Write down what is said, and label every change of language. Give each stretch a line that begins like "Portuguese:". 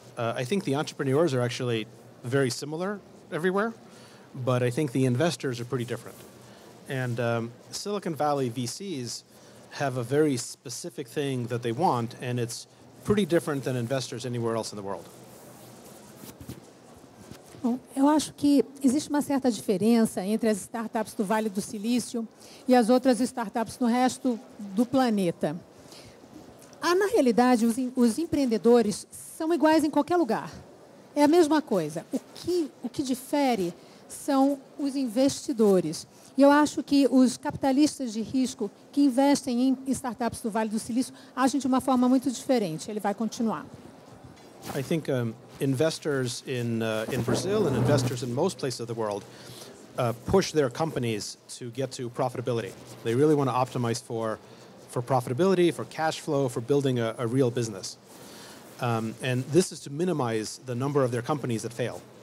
English: I think the entrepreneurs are actually very similar everywhere, but I think the investors are pretty different. And Silicon Valley VCs have a very specific thing that they want, and it's pretty different than investors anywhere else in the world.
Portuguese: Eu acho que existe uma certa diferença entre as startups do Vale do Silício e as outras startups no resto do planeta. Na realidade, os empreendedores são iguais em qualquer lugar. É a mesma coisa. O que difere são os investidores. E eu acho que os capitalistas de risco que investem em startups do Vale do Silício agem de uma forma muito diferente. Ele vai continuar.
English: I think, investors in Brazil and investors in most places of the world push their companies to get to profitability. They really want to optimize for profitability, for cash flow, for building a real business. And this is to minimize the number of their companies that fail.